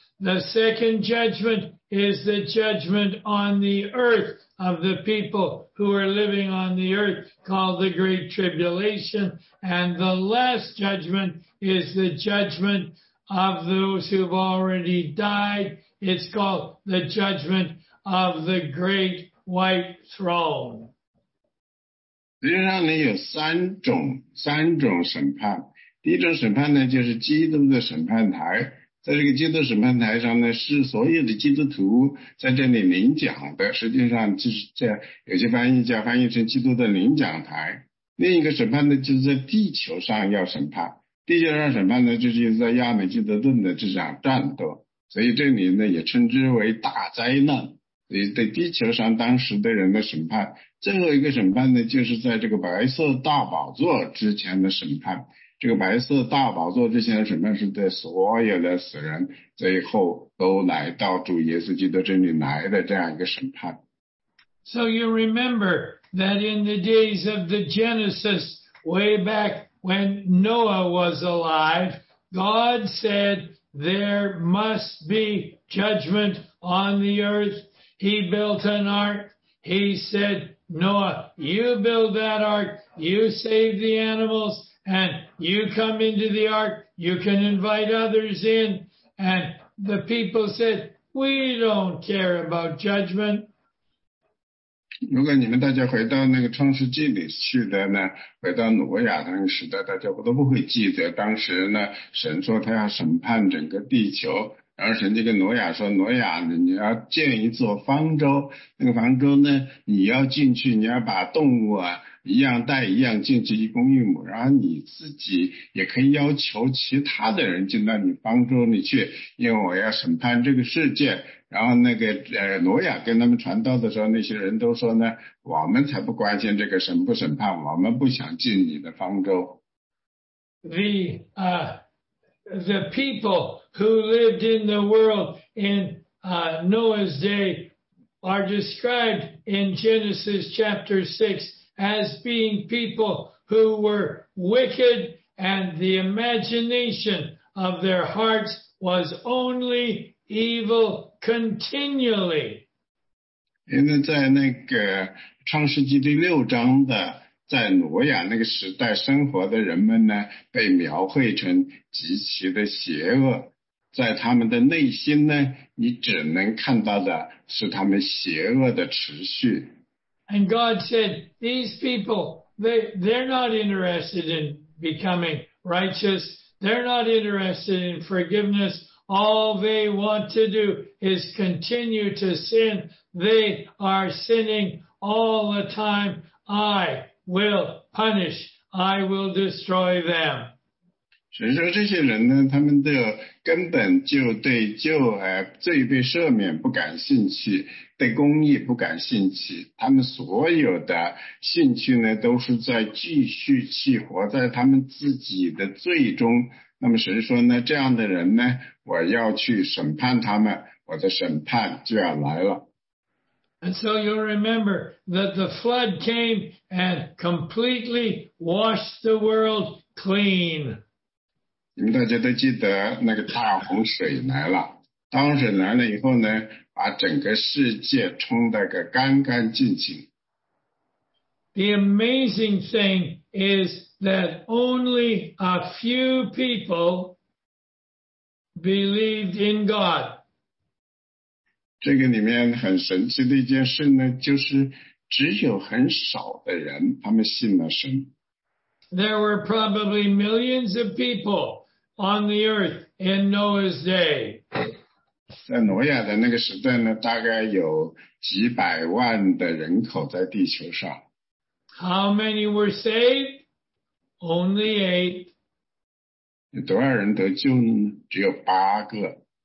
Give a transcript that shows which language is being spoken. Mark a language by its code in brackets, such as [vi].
[en] The second judgment is the judgment on the earth of the people who are living on the earth, called the Great Tribulation. And the last judgment is the judgment of those who've already died. It's called the judgment of the Great White Throne. [zh] 实际上呢，有三种审判。第一种审判呢，就是基督的审判台，在这个基督审判台上呢，是所有的基督徒在这里领奖的。实际上就是在有些翻译家翻译成基督的领奖台。另一个审判呢，就是在地球上要审判。地球上审判呢，就是在亚美基德顿的这场战斗，所以这里呢也称之为大灾难。所以在地球上当时的人的审判，最后一个审判呢，就是在这个白色大宝座之前的审判。这个白色大宝座之前的审判是对所有的死人，最后都来到主耶稣基督这里来的这样一个审判。 [en] So you remember that in the days of the Genesis, way back when Noah was alive, God said there must be judgment on the earth. He built an ark. He said, Noah, you build that ark, you save the animals, and you come into the ark, you can invite others in. And the people said, we don't care about judgment. [zh] 如果你们大家回到那个创世纪里去的呢，回到挪亚那个时代，大家不都不会记得当时呢，神说他要审判整个地球，然后神就跟挪亚说，挪亚，你要建一座方舟，那个方舟呢，你要进去，你要把动物啊一样带一样进去，一公一母，然后你自己也可以要求其他的人进到你方舟里去，因为我要审判这个世界。然后那个挪亚跟他们传道的时候，那些人都说呢，我们才不关心这个审不审判，我们不想进你的方舟。 [en] The people who lived in the world in Noah's day are described in Genesis chapter 6 as being people who were wicked, and the imagination of their hearts was only evil continually. [zh] 因为在那个创世纪第六章的，在挪亚那个时代生活的人们呢，被描绘成极其的邪恶，在他们的内心呢，你只能看到的是他们邪恶的持续。 [en] And God said, these people, they're not interested in becoming righteous. They're not interested in forgiveness. All they want to do is continue to sin. They are sinning all the time. I will punish. I will destroy them. [zh] 所以说，这些人呢，他们的根本就对罪被赦免不感兴趣，对公义不感兴趣，他们所有的兴趣呢，都是在继续去活在他们自己的罪中。那么神说呢，这样的人呢，我要去审判他们，我的审判就要来了。 [en] And so you'll remember that the flood came and completely washed the world clean. [zh] 你们大家都记得那个大洪水来了，当水来了以后呢，把整个世界冲得个干干净净。 [en] The amazing thing is that only a few people believed in God. [zh] 这个里面很神奇的一件事呢，就是只有很少的人他们信了神。 [en] There were probably millions of people on the earth in Noah's day. [zh] 在挪亚的那个时代呢，大概有几百万的人口在地球上。 [en] How many were saved? Only eight. [zh] 多少人得救呢？只有八个。